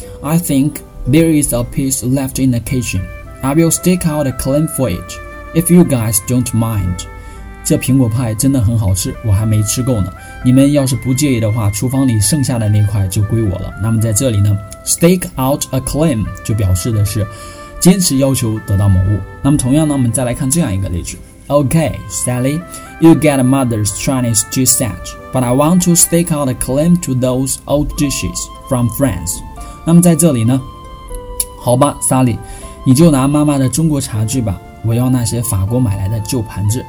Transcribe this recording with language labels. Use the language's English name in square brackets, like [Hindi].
[English] I think there is a piece left in the kitchen. I will stake out a claim for it, if you guys don't mind. [Chinese] 这苹果派真的很好吃，我还没吃够呢。你们要是不介意的话，厨房里剩下的那块就归我了。那么在这里呢， stake out a claim 就表示的是坚持要求得到某物。那么同样呢，我们再来看这样一个例句。 [English] Okay, Sally, you get mother's Chinese tea set, but I want to stake out a claim to those old dishes from France. [Chinese] 那么在这里呢，好吧 Sally, 你就拿妈妈的中国茶具吧，我要那些法国买来的旧盘子。